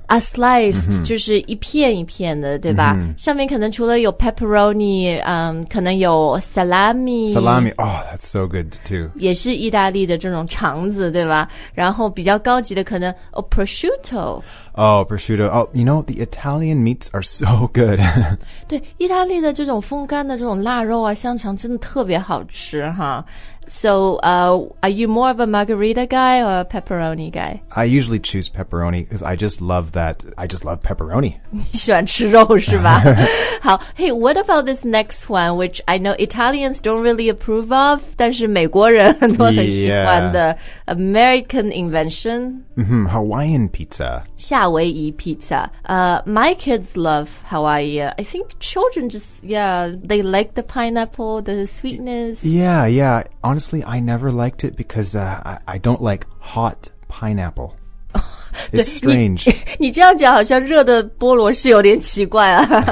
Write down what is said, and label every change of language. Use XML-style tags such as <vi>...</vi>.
<zh>Sliced,就是一片一片的对吧、上面可能除了有 pepperoni, 可能有 salami.</zh> <en>Salami, oh, that's so good too.</en> <zh>也是意大利的这种肠子对吧然后比较高级的可能 prosciutto.</zh> <en>Oh, prosciutto. Oh, you know, the Italian meats are so good.</en> <zh>对意大利的这种风干的这种腊肉啊香肠真的特别好吃哈。</zh> <en>So, are you more of a margherita guy or a pepperoni guy? I usually choose pepperoni because I just love that. I just love pepperoni.</en> <zh>你喜欢吃肉是吧？</zh> <en>好 ，Hey, what about this next one, which I know Italians don't really approve of,</en> <zh>但是美国人很多很喜欢的</zh> <en>American invention. Hawaiian pizza.</en> <zh>夏威夷</zh> <en>pizza. My kids love Hawaii. I think children just, yeah, they like the pineapple, the sweetness. Yeah, yeah. Honestly, I never liked it because I don't like hot pineapple. It's strange.</en> <zh>你这样讲好像热的菠萝是有点奇怪啊。</zh>